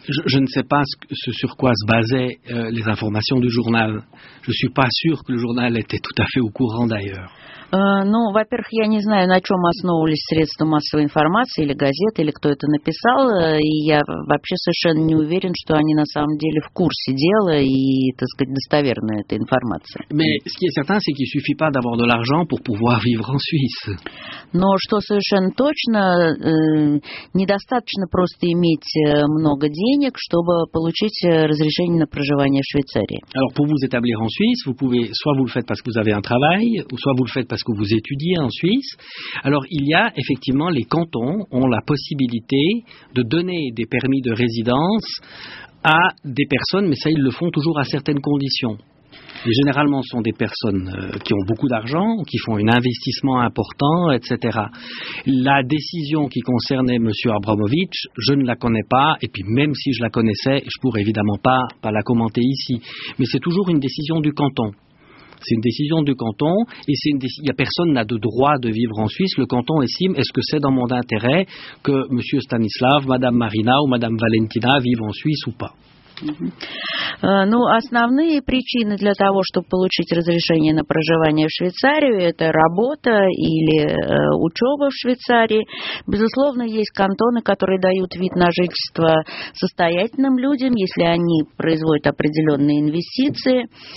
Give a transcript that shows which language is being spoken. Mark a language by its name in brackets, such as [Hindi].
[French] Je ne sais pas ce sur quoi se basaient les informations du journal. Je suis pas sûr que le journal était tout à fait au courant d'ailleurs. [Russian] Ну, во-первых, я не знаю, на чем основывались средства массовой информации, или газеты, или кто это написал, и я вообще совершенно не уверен, что они на самом деле в курсе дела и, так сказать, достоверны этой информации. [French] Mais ce qui est certain, c'est qu'il suffit pas d'avoir de l'argent pour pouvoir vivre en Suisse. [Russian] Но что совершенно точно, недостаточно просто иметь много денег, чтобы получить разрешение на проживание в Швейцарии. [French] Alors, pour vous établir en Suisse, vous pouvez, soit vous le faites parce que vous avez un travail, soit vous le faites parce que vous étudiez en Suisse. Alors, il y a effectivement, les cantons ont la possibilité de donner des permis de résidence à des personnes, mais ça, ils le font toujours à certaines conditions. Et généralement, ce sont des personnes qui ont beaucoup d'argent, qui font un investissement important, etc. La décision qui concernait M. Abramovich, je ne la connais pas, et puis même si je la connaissais, je ne pourrais évidemment pas la commenter ici. Mais c'est toujours une décision du canton. C'est une décision du canton et c'est une personne n'a de droit de vivre en Suisse. Le canton estime, est-ce que c'est dans mon intérêt que M. Stanislav, Mme Marina ou Mme Valentina vivent en Suisse ou pas? [Russian] Ну, основные причины для того, чтобы получить разрешение на проживание в Швейцарию, это работа или учеба в Швейцарии. Безусловно, есть кантоны, которые дают вид на жительство состоятельным людям, если они производят определенные инвестиции.